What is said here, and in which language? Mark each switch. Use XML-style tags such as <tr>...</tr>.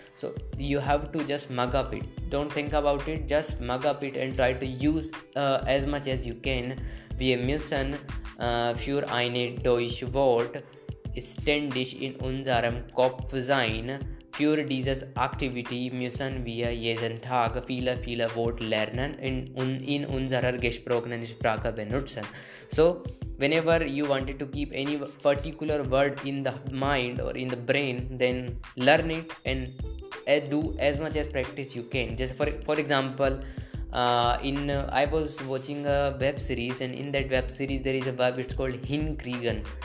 <en>So you have to just mug up it. Don't think about it. Just mug up it and try to use as much as you can.</en> <de>Wir müssen für eine deutsche Wort ständig in unserem Kopf sein. Für diese Aktivität müssen wir jeden Tag viele Wort lernen in unserer gesprochenen Sprache benutzen.</de> <en>So whenever you wanted to keep any particular word in the mind or in the brain, then learn it and do as much as practice you can. Just for example, I was watching a web series, and in that web series there is a verb, it's called hinkriegen.</en>